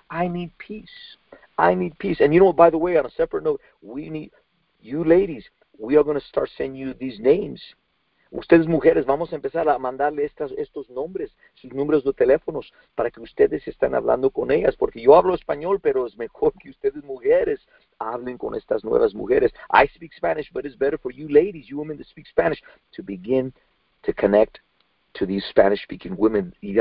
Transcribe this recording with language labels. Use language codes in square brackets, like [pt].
[en] I need peace. I need peace. And you know what, by the way, on a separate note, we need you ladies. We are going to start sending you these names. [es] Ustedes mujeres, vamos a empezar a mandarle estos nombres, sus números de teléfonos, para que ustedes estén hablando con ellas. Porque yo hablo español, pero es mejor que ustedes mujeres hablen con estas nuevas mujeres. [en] I speak Spanish, but it's better for you ladies, you women that speak Spanish, to begin to connect to these Spanish-speaking women.